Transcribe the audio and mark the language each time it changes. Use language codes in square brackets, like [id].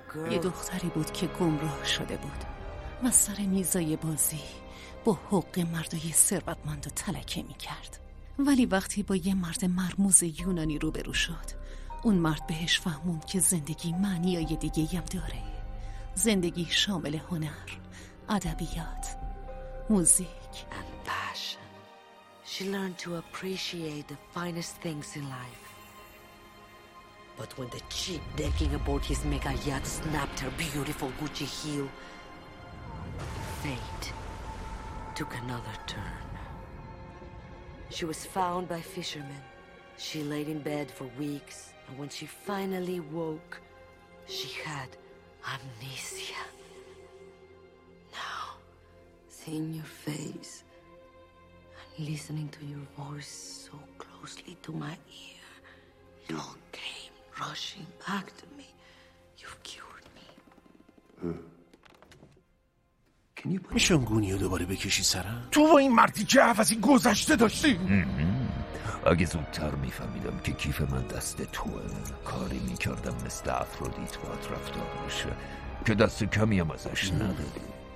[fa] یه دختری بود که گمراه شده بود و سر میزای بازی با حق مردای ثروتمند و تلکه می کرد. ولی وقتی با یه مرد مرموز یونانی روبرو شد، اون مرد بهش فهموند که زندگی معنیای دیگه هم داره. زندگی شامل هنر، ادبیات، موزیک. [en] And passion. She learned to appreciate the finest things in life. But when the cheap decking aboard his mega yacht snapped her beautiful Gucci heel, fate took another turn. She was found by fishermen. She laid in bed for weeks, and when she finally woke, she had amnesia. Now, seeing your face and listening to your voice so closely to my ear, it all came rushing back to me. You've cured me. [fa] میشه اون گونیو دوباره بکشی سرم؟ تو با این مردی که حفظی گذشته داشتی؟ اگه زودتر میفهمیدم که کیف من دست توه، کاری میکردم مثل افرودیت باید رفتار بشه که دست کمی هم ازش نداری.